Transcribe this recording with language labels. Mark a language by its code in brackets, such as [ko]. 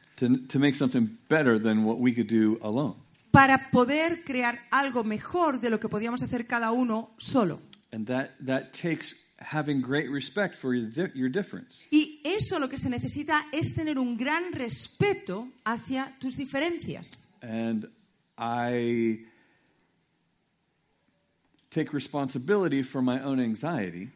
[en] To make something better than what we could do alone. [es] Para poder crear algo mejor de lo que podíamos hacer cada uno solo. [en] And that takes having great respect for your difference. [es] Y eso lo que se necesita es tener un gran respeto hacia tus diferencias. [en] And I take responsibility for my own anxiety.